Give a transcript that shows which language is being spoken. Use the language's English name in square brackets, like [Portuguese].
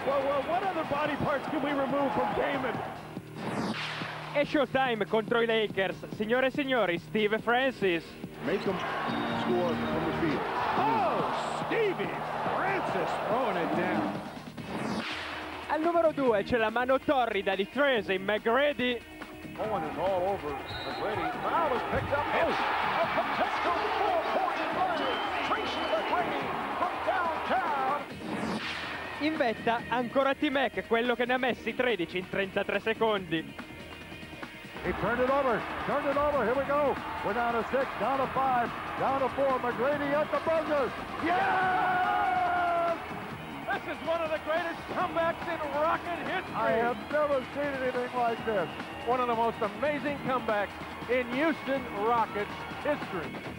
[English] Well, what other body parts can we remove from Damon? [Italian] È showtime contro i Lakers. Signore e signori, Steve Francis. [English] make them score from the field. Oh, Stevie Francis throwing it down. [Italian] Al numero due c'è la mano torrida di Tracy McGrady. [English] Owen is all over McGrady. Foul is picked up. Yes. A potential four-point play. Tracy McGrady from downtown. [Italian] In vetta ancora T-Mac, quello che ne ha messi 13 in 33 secondi. [English] He turned it over. Turned it over. Here we go. We're down to six, down to five, down to four. McGrady at the buzzer. Yes! This is one of the greatest comebacks in Rocket history. I have never seen anything like this. One of the most amazing comebacks in Houston Rockets history.